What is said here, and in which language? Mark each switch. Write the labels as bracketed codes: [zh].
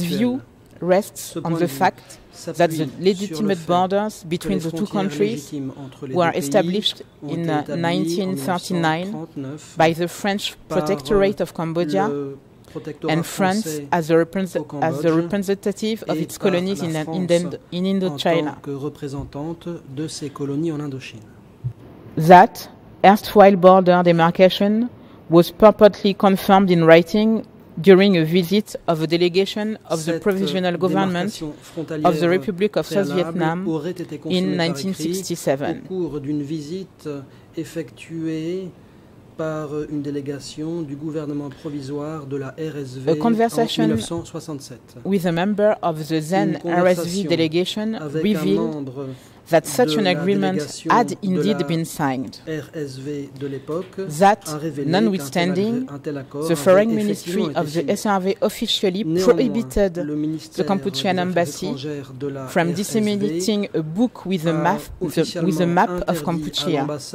[en] view rests on the fact that the legitimate borders between the two countries were established in 1939 by the French Protectorate of Cambodia and France as the representative of its colonies in Indochina. That erstwhile border demarcation was purportedly confirmed in writing during a visit of a delegation of the Provisional Government of the Republic of South Vietnam in 1967. [fr] Au cours d'une visite effectuée par une délégation du gouvernement provisoire de la RSV en 1967. [en] With a member of the then RSV delegation revealed that such an agreement had indeed been signed, [fr] RSV de l'époque, [en] that, notwithstanding, the Foreign Ministry of the SRV officially prohibited the Cambodian embassy from disseminating a book with a map of Cambodia.